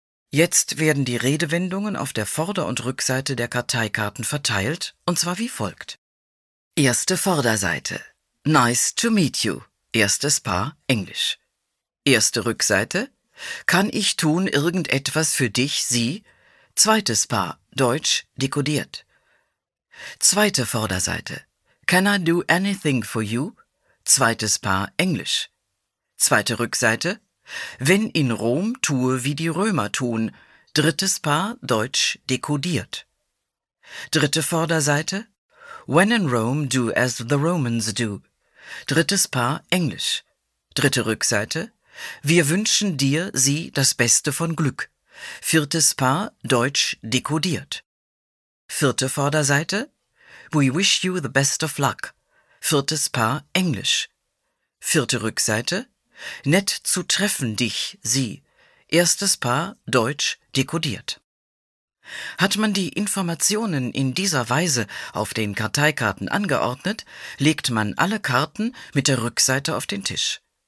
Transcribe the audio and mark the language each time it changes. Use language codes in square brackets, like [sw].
[de] Jetzt werden die Redewendungen auf der Vorder- und Rückseite der Karteikarten verteilt, und zwar wie folgt. Erste Vorderseite. [en] Nice to meet you. [de] Erstes Paar, Englisch. Erste Rückseite. Kann ich tun irgendetwas für dich, sie? Zweites Paar, Deutsch, dekodiert. Zweite Vorderseite. [en] Can I do anything for you? [de] Zweites Paar, Englisch. Zweite Rückseite. Wenn in Rom, tue wie die Römer tun. Drittes Paar, Deutsch, dekodiert. Dritte Vorderseite. [en] When in Rome, do as the Romans do. [de] Drittes Paar, Englisch. Dritte Rückseite. Wir wünschen dir, sie, das Beste von Glück. Viertes Paar, Deutsch, dekodiert. Vierte Vorderseite. [en] We wish you the best of luck. [de] Viertes Paar, Englisch. Vierte Rückseite. Nett zu treffen dich, sie. Erstes Paar, Deutsch, dekodiert. Hat man die Informationen in dieser Weise auf den Karteikarten angeordnet, legt man alle Karten mit der Rückseite auf den Tisch.